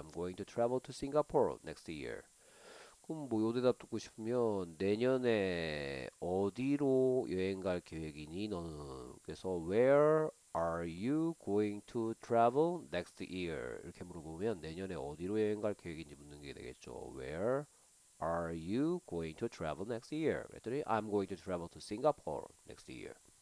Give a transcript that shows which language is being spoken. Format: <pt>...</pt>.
<en>I'm going to travel to Singapore next year.</en> <ko>그럼 뭐요 대답 듣고 싶으면 내년에 어디로 여행 갈 계획이니 너는?</ko> <en>그래서 Where are you going to travel next year?</en> <ko>이렇게 물어보면 내년에 어디로 여행 갈 계획인지 묻는 게 되겠죠.</ko> <en>Where are you going to travel next year? 그랬더니 I'm going to travel to Singapore next year.</en>